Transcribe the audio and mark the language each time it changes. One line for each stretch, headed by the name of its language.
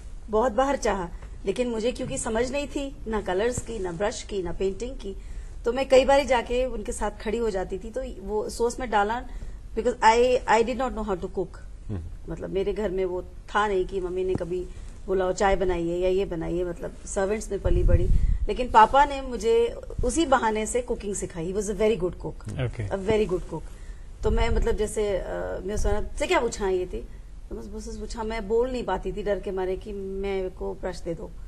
Urdu: بہت باہر چاہا, لیکن مجھے کیونکہ سمجھ نہیں تھی نہ کلرز کی, نہ برش کی, نہ پینٹنگ کی, تو میں کئی بار جا کے ان کے ساتھ کھڑی ہو جاتی تھی. تو وہ سوچ میں ڈالا
English: Because I did not know how to cook.
Urdu: مطلب میرے گھر میں وہ تھا نہیں کہ ممی نے کبھی بلاؤ چائے بنائیے یا یہ بنائیے, مطلب سروینٹس نے پلی بڑی. لیکن پاپا نے مجھے اسی بہانے سے کوکنگ سکھائی.
English: Was a very good cook, a very good cook.
Urdu: تو میں مطلب جیسے میں سونا سے کیا پوچھا یہ تھی, تو بس پوچھا, میں بول نہیں پاتی تھی ڈر کے مارے کہ میں کو برش دے دو.